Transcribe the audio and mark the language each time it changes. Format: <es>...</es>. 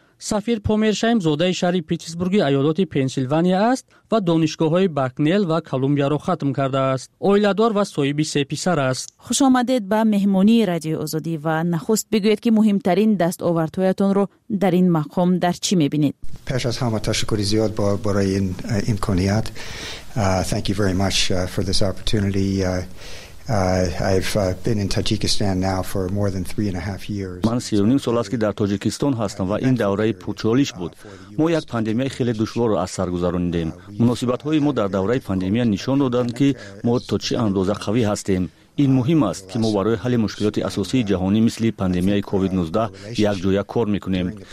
<fa>سفیر پومرشایم زاده شهر پیتسبورگ ایالت پنسیلوانیا است و دانشگاه های بکنل و کلمبیا را ختم کرده است. اویلادار و صاحب 3 پسر است. خوش آمدید به مهمانی رادیو آزادی و نخست بگویید که مهمترین دستاوردهایتون رو در این مقام در چی میبینید؟ پیش از همه تشکر زیاد برای این امکانیت.</fa> <en>Thank you very much for this opportunity. I've been in Tajikistan now for more than 3.5 years.</en> <fa>من 3.5 سال است که در تاجیکستان هستم و این دوره پرچالش بود. ما یک پاندمی خیلی دشوار را از سر گذراندیم. مناسبت های ما در دوره پاندمی نشان دادند که ما تا چه اندازه قوی هستیم. این مهم است که ما برای حل مشکلات اساسی جهانی مثل پاندمی کووید 19 یک جویا کار میکنیم.</fa>